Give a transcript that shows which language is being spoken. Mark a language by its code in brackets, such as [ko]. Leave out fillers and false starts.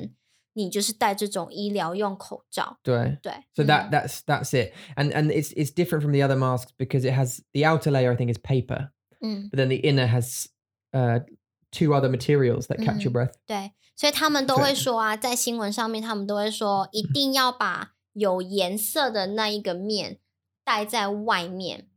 [zh] 嗯，你就是戴这种医疗用口罩。对。对。 [en] So that's it. And it's different from the other masks because it has, the outer layer I think is paper. [zh] 嗯。 [en] But then the inner has two other materials that catch your breath. [zh] 对。所以他们都会说啊，在新闻上面他们都会说一定要把有颜色的那一个面戴在外面。